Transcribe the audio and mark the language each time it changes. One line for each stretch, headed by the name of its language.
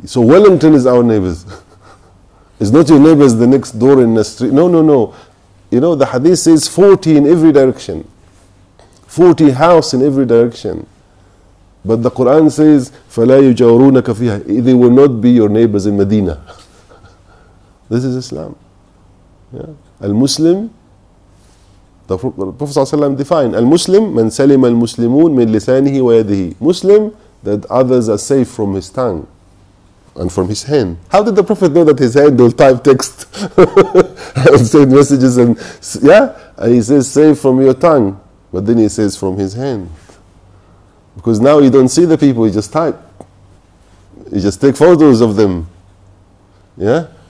English: So Wellington is our neighbors. It's not your neighbors the next door in the street. No. You know, the hadith says 40 in every direction. 40 house in every direction. But the Quran says,
Arabic: فَلَا يُجَوْرُونَكَ فِيهَا.
English: They will not be your neighbors in Medina. This is Islam. Yeah.
Arabic: Al-Muslim,
English: the Prophet ﷺ defined,
Arabic: Al-Muslim, مَنْ سَلِمَ الْمُسْلِمُونَ مِنْ لِسَانِهِ وَيَدِهِ.
English: Muslim, that others are safe from his tongue and from his hand. How did the Prophet know that his hand will type text and send messages? And yeah, and he says, safe from your tongue. But then he says, from his hand. Because now you don't see the people, you just type. You just take photos of them. Yeah?